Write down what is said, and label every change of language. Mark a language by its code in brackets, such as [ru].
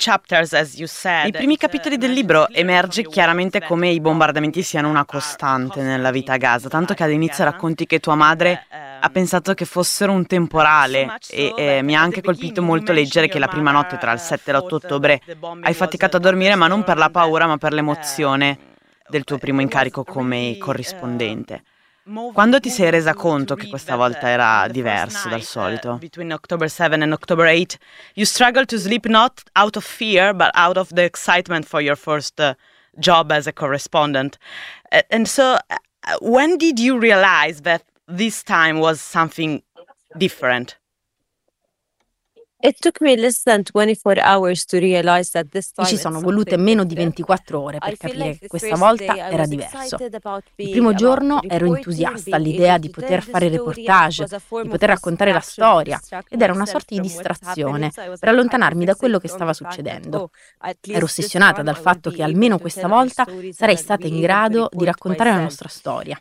[it] Nei primi capitoli del libro emerge chiaramente come i bombardamenti siano una costante nella vita a Gaza, tanto che all'inizio racconti che tua madre ha pensato che fossero un temporale, e mi ha anche colpito molto leggere che la prima notte tra il 7 e l'8 ottobre hai faticato a dormire, ma non per la paura, ma per l'emozione del tuo primo incarico come corrispondente. Quando ti sei resa conto che questa volta era diverso dal solito? [en] Between October 7 and October 8, you struggled to sleep not out of fear, but out of the excitement for your first job as a correspondent. And so, when did you realize that this time was something different? It took me less than 24 hours to realize that this time [it] ci sono volute meno di 24 ore per capire che questa volta era diverso. Il primo giorno ero entusiasta all'idea di poter fare reportage, di poter raccontare la storia, ed era una sorta di distrazione per allontanarmi da quello che stava succedendo. Ero ossessionata dal fatto che almeno questa volta sarei stata in grado di raccontare la nostra storia.